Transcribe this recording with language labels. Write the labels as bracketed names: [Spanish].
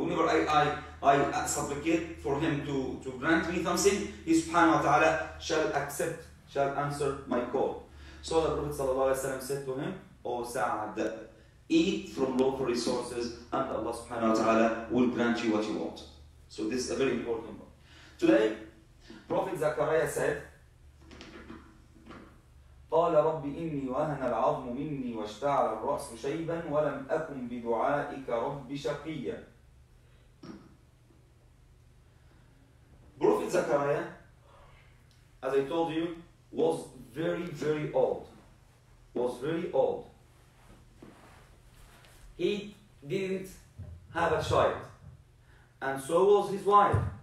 [English] Whenever I supplicate for him to grant me something, he subhanahu wa ta'ala shall answer my call. So the Prophet said to him, O Sa'ad, eat from local resources and Allah subhanahu wa ta'ala will grant you what you want. So this is a very important one. Today, Prophet Zakariya said, [Arabic] قال رب إني وهن العظم مني واشتعل الرأس شيبا ولم أكن بدعائك رب شقيا. [English] Prophet Zakariya, as I told you, was very, very old. Was very old. He didn't have a child. And so was his wife.